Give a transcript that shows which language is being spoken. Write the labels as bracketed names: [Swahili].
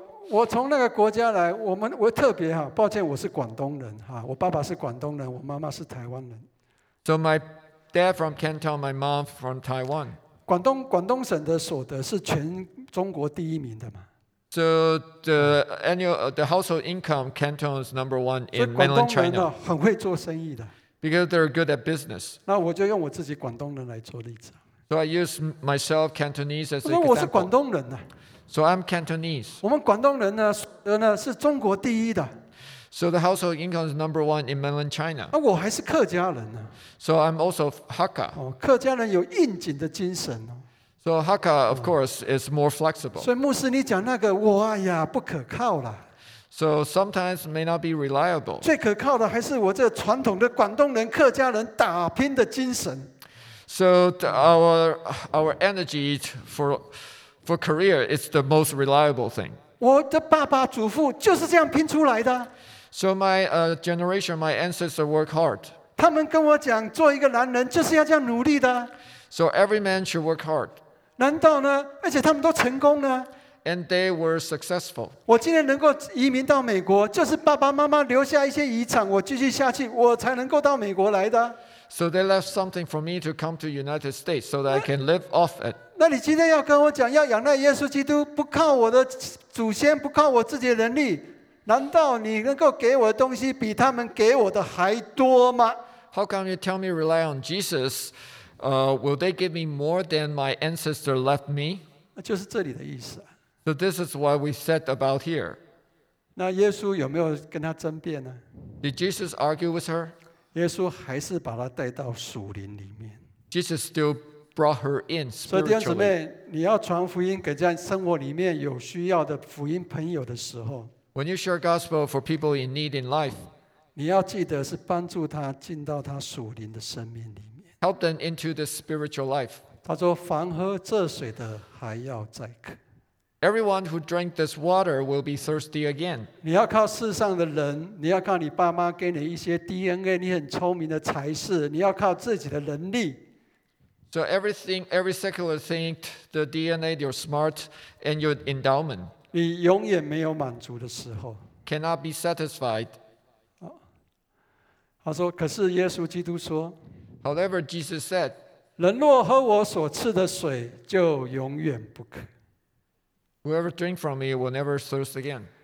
[Chinese] 我从那个国家来，我特别哈，抱歉，我是广东人哈，我爸爸是广东人，我妈妈是台湾人。 [English] So my dad from Canton, my mom from Taiwan. [Chinese] 广东省的所得是全中国第一名的嘛 [English] ？So the annual the household income Canton is number one in mainland China. [Chinese] 所以广东人呢很会做生意的。 [English] Because they're good at business. [Chinese] 那我就用我自己广东人来做例子。 [English] So I use myself Cantonese as an example. [Chinese] 因为我是广东人呐。 [English] So I'm Cantonese. [Chinese] 我们广东人呢所得呢是中国第一的。 [English] So the household income is number one in mainland China. [Chinese] 啊，我还是客家人呢。 [English] So I'm also Hakka. [Chinese] 哦，客家人有应景的精神哦。 [English] So Hakka, of course, is more flexible. [Chinese] 所以牧师，你讲那个，我呀不可靠啦。 [English] So sometimes may not be reliable. [Chinese] 最可靠的还是我这传统的广东人、客家人打拼的精神。 [English] So our energy for career is the most reliable thing. [Chinese] 我的爸爸、祖父就是这样拼出来的。 [English] So my generation, my ancestors work hard. [Chinese] 他们跟我讲，做一个男人就是要这样努力的。 [English] So every man should work hard. [Chinese] 难道呢？而且他们都成功呢。 [English] And they were successful. [Chinese] 我今天能够移民到美国，就是爸爸妈妈留下一些遗产，我继续下去，我才能够到美国来的。 [English] So they left something for me to come to United States so that I can live off it. [Chinese] 那你今天要跟我讲，要仰赖耶稣基督，不靠我的祖先，不靠我自己的能力。难道你能够给我的东西比他们给我的还多吗 [English] ？How come you tell me rely on Jesus? Will they give me more than my ancestor left me? [Chinese] 就是这里的意思。 [English] So this is what we said about here. [Chinese] 那耶稣有没有跟他争辩呢 [English] ？Did Jesus argue with her? [Chinese] 耶稣还是把他带到属灵里面。 [English] Jesus still brought her in spiritually. [Chinese] 所以弟兄姊妹，你要传福音给在生活里面有需要的福音朋友的时候。 [English] When you share gospel for people in need in life, [Chinese] 你要记得是帮助他进到他属灵的生命里面。 [English] Help them into the spiritual life. [Chinese] 他说：“凡喝这水的还要再渴。” [English] Everyone who drank this water will be thirsty again. [Chinese] 你要靠世上的人，你要靠你爸妈给你一些 DNA， 你很聪明的才识，你要靠自己的能力。 [English] So everything, every secular thing, the DNA, your smart, and your endowment. [Chinese] 你永远没有满足的时候 [English] ，cannot be satisfied。 [Chinese] 他说：“可是耶稣基督说 [English] ，However Jesus said， [Chinese] 人若喝我所赐的水，就永远不渴。 [English] Whoever drink from me will never thirst again。”